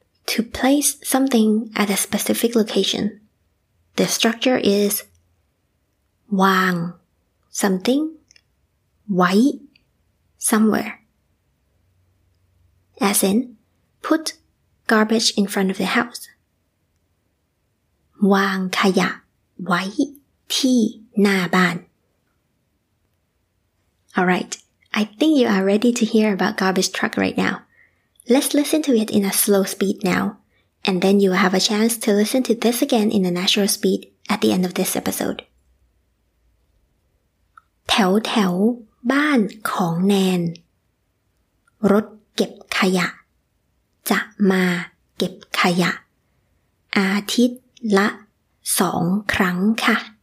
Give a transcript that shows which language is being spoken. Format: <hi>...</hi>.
<en>to place something at a specific locationThe structure is วาง something ไว้ somewhere as in put garbage in front of the house</en> <th>วางขยะไว้ที่หน้าบ้าน</th> <en>All right, I think you are ready to hear about garbage truck right now. Let's listen to it in a slow speed now, and then you will have a chance to listen to this again in a natural speed at the end of this episode.</en> <th>แถวแถวบ้านของแนนรถเก็บขยะจะมาเก็บขยะอาทิตย์ละ2ครั้งค่ะ</th>